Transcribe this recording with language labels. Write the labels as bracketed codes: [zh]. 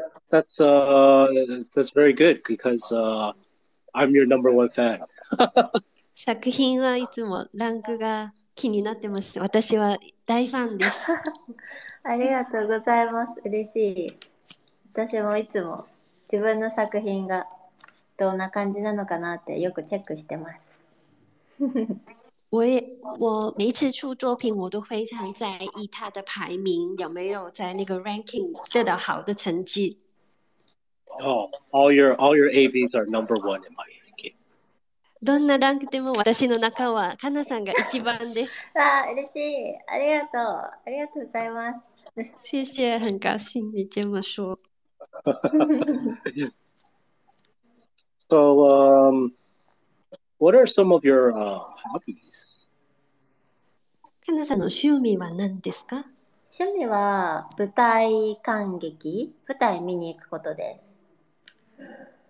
[en] That's very good because I'm your number one fan. [ja] 作品はいつもランクが気になってます。私は大ファンです。ありがとうございます。嬉しい。私もいつも自分の作品がどんな感じなのかなってよくチェックしてます。 [zh] 我每次出作品我都非常在意他的排名有没有在那个 ranking 得到好的成绩。 [en] Oh, all your AVs are number one in my ranking. [ja] どんなランクでも私の中はかなさんが一番です。あ、嬉しい、ありがとう、ありがとうございます。 [zh] 谢谢、 [ja] なんか信じてましょう。 [en] So, what are some of your hobbies? [ja] かなさんの趣味は何ですか？趣味は舞台観劇、舞台見に行くことです。